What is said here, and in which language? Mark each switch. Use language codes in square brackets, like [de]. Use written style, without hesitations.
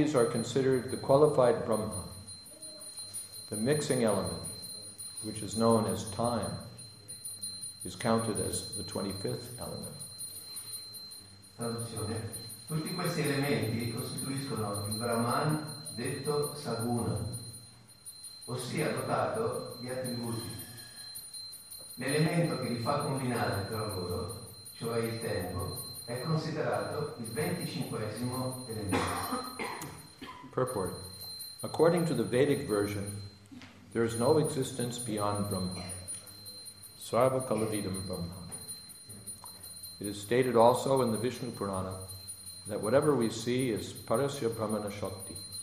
[en] considered the qualified Brahma, the mixing element, which is known as time, is counted as the 25th element. [it] Traduzione. Tutti questi elementi costituiscono il Brahman detto Saguna, ossia dotato di attributi. L'elemento che li fa combinare tra loro, cioè il tempo, è considerato il 25esimo elemento. [en] Purport. According to the Vedic version, there is no existence beyond Brahma. [sa] Sarva Kalavidam Brahma. [en] It is stated also in the Vishnu Purana that whatever we see is [sa] Parasya Brahmana Shakti.